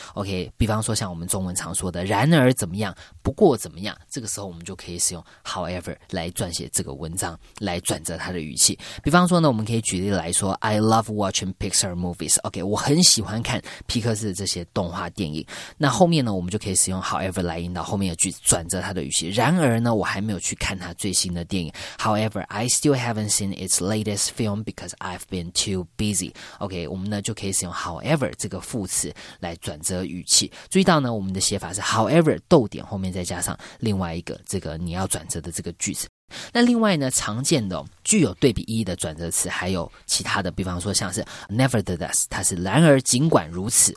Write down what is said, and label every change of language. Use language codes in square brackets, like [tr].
[zh] OK， 比方说像我们中文常说的然而怎么样，不过怎么样，这个时候我们就可以使用 however 来撰写这个文章，来转折它的语气。比方说呢，我们可以举例来说 ， [en] I love watching Pixar movies。 [zh] OK， 我很喜欢看皮克斯的这些动画电影。那后面呢，我们就可以使用 however 来引导后面的句子转折它的语气。然而呢，我还没有去看它最新的电影。 [en] However, I still haven't seen its latest film because I've been too busy. [zh] OK, 我们呢就可以使用 however 这个副词来转折语气。注意到呢，我们的写法是 however 逗点后面再加上另外一个这个你要转折的这个句子。那另外呢，常见的、哦、具有对比意义的转折词还有其他的，比方说像是 nevertheless， 它是然而尽管如此。